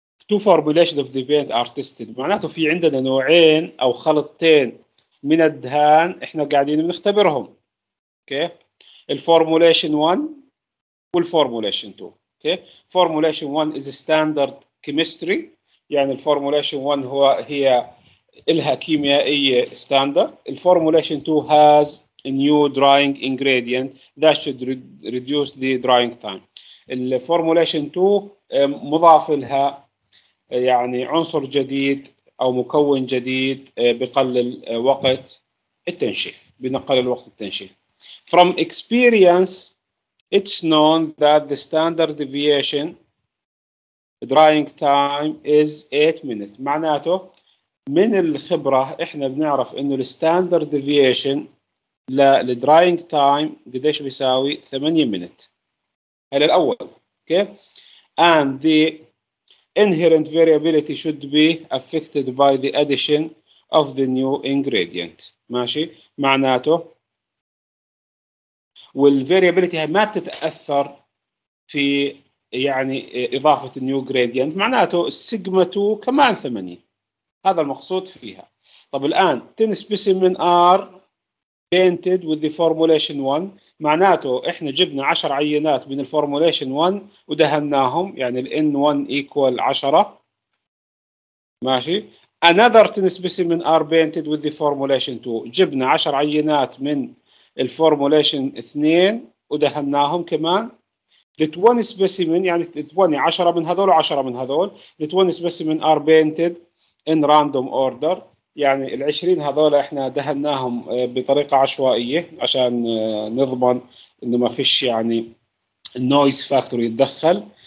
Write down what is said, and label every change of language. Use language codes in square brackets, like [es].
[en] Two formulations of the paint are tested. [ar] معناته في عندنا نوعين أو خلطتين من الدهان إحنا قاعدين بنختبرهم. [en] Okay. Formulation 1 والformulation 2. Okay. Formulation 1 is standard chemistry. [ar] يعني الformulation 1 هي إلها كيميائية standard. [en] Formulation 2 has a new drying ingredient that should reduce the drying time. [ar] Formulation 2 مضاف لها يعني عنصر جديد او مكون جديد بقلل وقت التنشيف، بنقلل وقت التنشيف. [en] From experience it's known that the standard deviation drying time is 8 minutes. [ar] معناته من الخبره احنا بنعرف انه الستاندرد ديفيشن للدراينج تايم قديش بيساوي 8 مينت. هذا الاول. [en] Okay, and the inherent variability should be affected by the addition of the new ingredient. [ar] ماشي، معناته والفاريابيليتي هاي ما بتتأثر في يعني إضافة النيو جريديانت، معناته سيجما 2 كمان 8، هذا المقصود فيها. طب الآن 10 [en] specimen are painted with formulation 1، [ar] معناته إحنا جبنا 10 عينات من الفورموليشن 1 ودهناهم، يعني الـ [en] N1 equal 10 [ar] ماشي. [en] Another 10 specimen are painted with the formulation 2، [ar] جبنا 10 عينات من الفورموليشن 2 ودهناهم كمان. [en] The 20 specimen [ar] يعني 20 10 من هذول و10 من هذول. [en] The 20 specimen are painted in random order، [ar] يعني ال20 هذول احنا دهناهم بطريقة عشوائية عشان نضمن انه ما فيش يعني noise factor يتدخل.